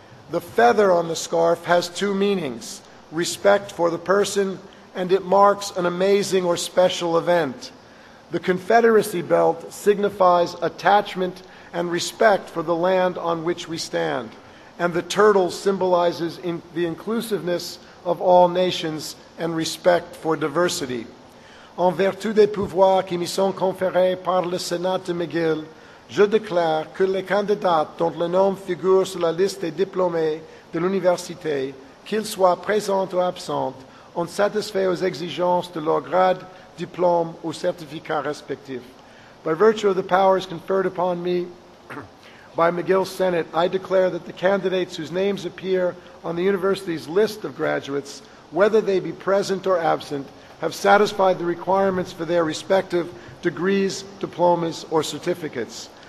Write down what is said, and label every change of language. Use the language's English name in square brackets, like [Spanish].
[English] The feather on the scarf has two meanings, respect for the person, and it marks an amazing or special event. The Confederacy belt signifies attachment and respect for the land on which we stand. And the turtle symbolizes the inclusiveness of all nations and respect for diversity. [French] En vertu des pouvoirs qui me sont conférés par le Sénat de McGill, je déclare que les candidats dont le nom figure sur la liste des diplômés de l'université, qu'ils soient présents ou absents, ont satisfait aux exigences de leur grade, diplôme ou certificat respectif. [English] By virtue of the powers conferred upon me by McGill Senate, I declare that the candidates whose names appear on the university's list of graduates, whether they be present or absent, have satisfied the requirements for their respective degrees, diplomas, or certificates.